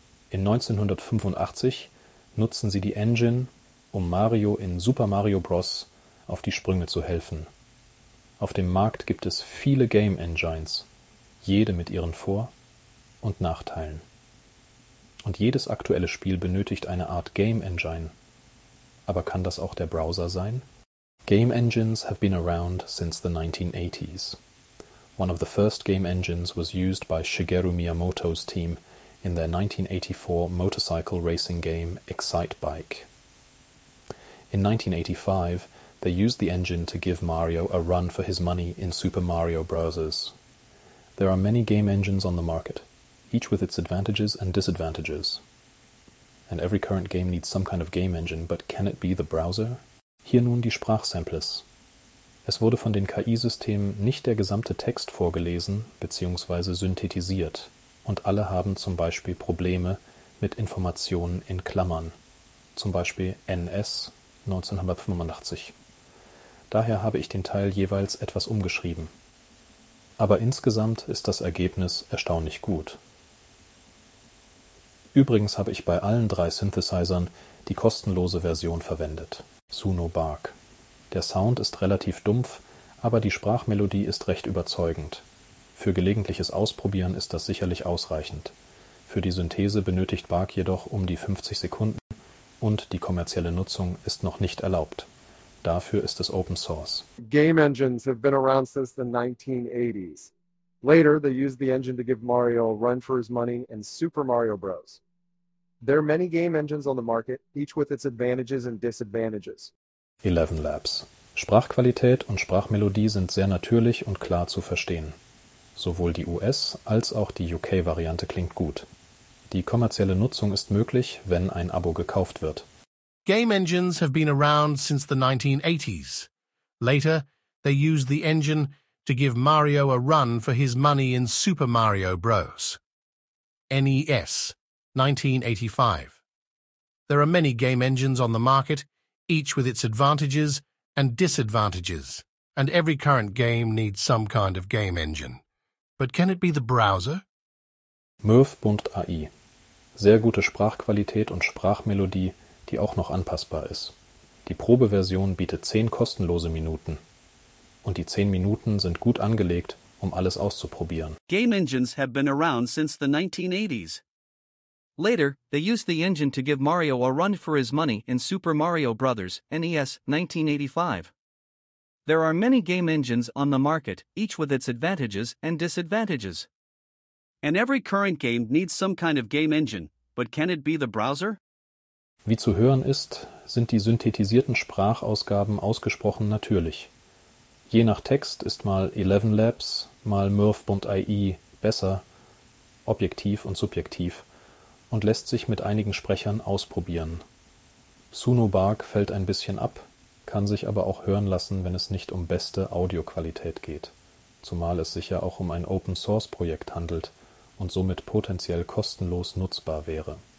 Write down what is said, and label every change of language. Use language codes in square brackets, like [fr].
[de] In 1985 nutzen sie die Engine, um Mario in Super Mario Bros. Auf die Sprünge zu helfen. Auf dem Markt gibt es viele Game Engines, jede mit ihren Vor- und Nachteilen. Und jedes aktuelle Spiel benötigt eine Art Game Engine. Aber kann das auch der Browser sein? [en] Game Engines have been around since the 1980s. One of the first game engines was used by Shigeru Miyamoto's team in their 1984 motorcycle racing game Excitebike. In 1985, they used the engine to give Mario a run for his money in Super Mario Bros. There are many game engines on the market, each with its advantages and disadvantages. And every current game needs some kind of game engine, but can it be the browser? [de] Hier nun die Sprachsamples. Es wurde von den KI-Systemen nicht der gesamte Text vorgelesen bzw. synthetisiert und alle haben zum Beispiel Probleme mit Informationen in Klammern, zum Beispiel NS 1985. Daher habe ich den Teil jeweils etwas umgeschrieben. Aber insgesamt ist das Ergebnis erstaunlich gut. Übrigens habe ich bei allen drei Synthesizern die kostenlose Version verwendet. Sunobark. Der Sound ist relativ dumpf, aber die Sprachmelodie ist recht überzeugend. Für gelegentliches Ausprobieren ist das sicherlich ausreichend. Für die Synthese benötigt Bark jedoch um die 50 Sekunden und die kommerzielle Nutzung ist noch nicht erlaubt. Dafür ist es Open Source. [en] Game engines have been around since the 1980s. Later, they used the engine to give Mario a run for his money in Super Mario Bros. There are many game engines on the market, each with its advantages and disadvantages. 11 Labs. [de] Sprachqualität und Sprachmelodie sind sehr natürlich und klar zu verstehen. Sowohl die US- als auch die UK-Variante klingt gut. Die kommerzielle Nutzung ist möglich, wenn ein Abo gekauft wird. [en] Game engines have been around since the 1980s. Later, they used the engine to give Mario a run for his money in Super Mario Bros. NES. 1985. There are many game engines on the market, each with its advantages and disadvantages, and every current game needs some kind of game engine. But can it be the browser? Murf.ai. [de] Sehr gute Sprachqualität und Sprachmelodie, die auch noch anpassbar ist. Die Probeversion bietet 10 kostenlose Minuten. Und die 10 Minuten sind gut angelegt, um alles auszuprobieren. [en] Game engines have been around since the 1980s. Later, they used the engine to give Mario a run for his money in Super Mario Bros. NES 1985. There are many game engines on the market, each with its advantages and disadvantages. And every current game needs some kind of game engine, but can it be the browser? [de] Wie zu hören ist, sind die synthetisierten Sprachausgaben ausgesprochen natürlich. Je nach Text ist mal 11 Labs, mal Murf.ai besser, objektiv und subjektiv. Und lässt sich mit einigen Sprechern ausprobieren. Sunobark fällt ein bisschen ab, kann sich aber auch hören lassen, wenn es nicht um beste Audioqualität geht, zumal es sich ja auch um ein Open-Source-Projekt handelt und somit potenziell kostenlos nutzbar wäre.